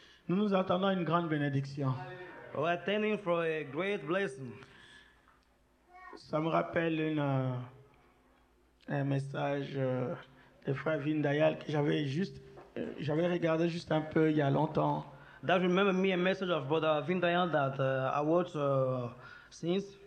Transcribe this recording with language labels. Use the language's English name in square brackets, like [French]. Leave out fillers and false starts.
[French] Nous nous attendons à une grande bénédiction. [English] We're attending for a great blessing. [French] Ça me rappelle un message de Frère Vindayal que j'avais regardé juste un peu il y a longtemps. [English] That remember me a message of Brother Vindayal that I watched since.